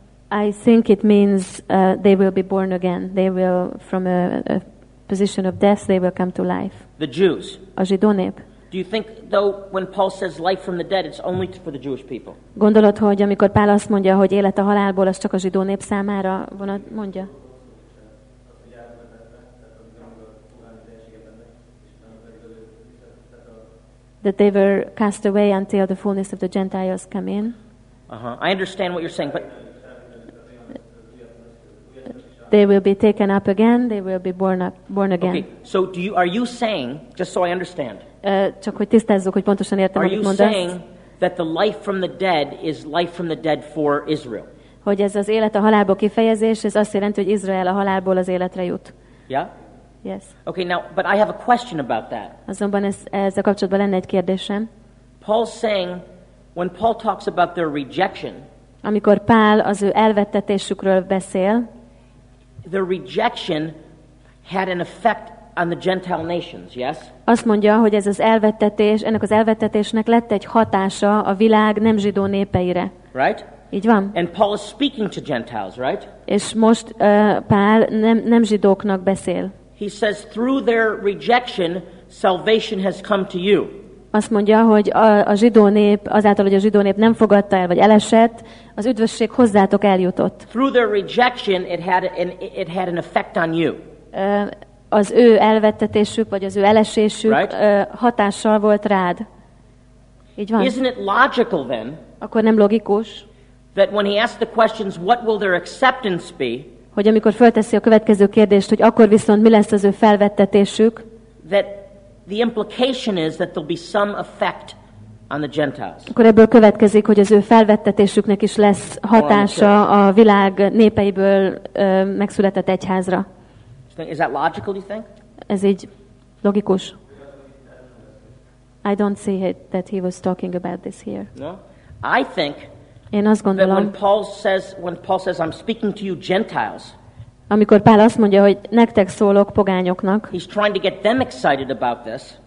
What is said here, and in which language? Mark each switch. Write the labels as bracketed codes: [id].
[en] I think it means they will be born again. They will, from a position of death, they will come to life. The Jews. [hu] A zsidó nép. [en] Do you think, though, when Paul says life from the dead, it's only for the Jewish people? [hu] Gondolod, hogy amikor Pál azt mondja, hogy élet a halálból, az csak a zsidó nép számára mondja? [en] That they were cast away until the fullness of the Gentiles come in. I understand what you're saying, but they will be taken up again, they will be born again. Okay, so are you saying, just so I understand, [hu] csak hogy tisztázzuk, hogy pontosan értem, [en] are you [hu] mondasz, [en] saying that the life from the dead is life from the dead for Israel? [hu] Hogy ez az élet a halálból kifejezés, ez azt jelenti, hogy Izrael a halálból az életre jut. [en] Yeah? Yes. Okay, now, but I have a question about that. [hu] Azonban ezzel kapcsolatban lenne egy kérdésem. [en] Paul's saying, when Paul talks about their rejection, [hu] amikor Pál az ő elvettetésükről beszél, [en] the rejection had an effect on the Gentile nations, yes? [hu] Azt mondja, hogy ez az elvettetés, ennek az elvettetésnek lett egy hatása a világ nem zsidó népeire. [en] Right? [hu] Így van. [en] And Paul is speaking to Gentiles, right? [hu] És most Pál nem zsidóknak beszél. [en] He says, through their rejection, salvation has come to you. [hu] Azt mondja, hogy a zsidó nép, azáltal, hogy a zsidó nép nem fogadta el, vagy elesett, az üdvösség hozzátok eljutott. [en] Through their rejection, it had an effect on you. [hu] Az ő elvettetésük, vagy az ő elesésük [en] right? [hu] Hatással volt rád. Így van. [en] Isn't it logical, then, [hu] akkor nem logikus, [en] that when he asked the questions, what will their acceptance be, [hu] hogy amikor fölteszi a következő kérdést, hogy akkor viszont mi lesz az ő felvettetésük, [en] that the implication is that there'll be some effect on the Gentiles. [hu] Akkor ebből következik, hogy az ő felvettetésüknek is lesz hatása a világ népeiből megszületett egyházra. [en] Is that logical, do you think? [hu] Ez így logikus. [en] I don't see it that he was talking about this here. No? I think [hu] én azt gondolom, [en] that when Paul says, I'm speaking to you Gentiles, [hu] amikor Pál azt mondja, hogy nektek szólok, pogányoknak, [en] he's trying to get them excited about this,